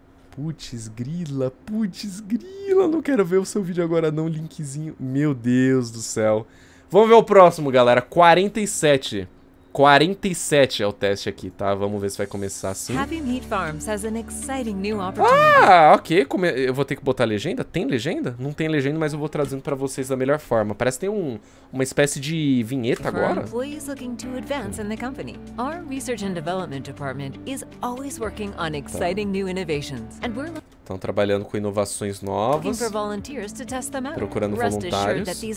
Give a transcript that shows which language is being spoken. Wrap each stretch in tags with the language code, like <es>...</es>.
<pt>Putz grila, não quero ver o seu vídeo agora não, linkzinho. Meu Deus do céu. Vamos ver o próximo, galera. 47. 47 é o teste aqui, tá? Vamos ver se vai começar assim.</pt> <en>Happy Meat Farms has an exciting new opportunity.</en> <pt>Ah, ok. Eu vou ter que botar legenda? Tem legenda? Não tem legenda, mas eu vou trazendo pra vocês da melhor forma. Parece que tem uma espécie de vinheta agora.</pt> <en>For employees looking to advance in the company, our research and development department is always working on exciting new innovations. And we're looking...</en> <pt>Estão trabalhando com inovações novas, procurando voluntários.</pt>